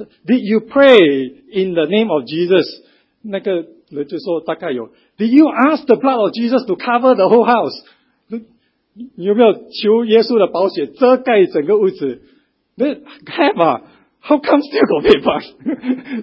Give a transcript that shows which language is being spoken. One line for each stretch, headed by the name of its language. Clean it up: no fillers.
English: Did you pray in the name of Jesus？
Chinese: 那个人就说大概有。
English: Did you ask the blood of Jesus to cover the whole house？
Chinese: 有没有求耶稣的宝血遮盖整个屋子？
English: 那 have 啊 ？How come still got paid back？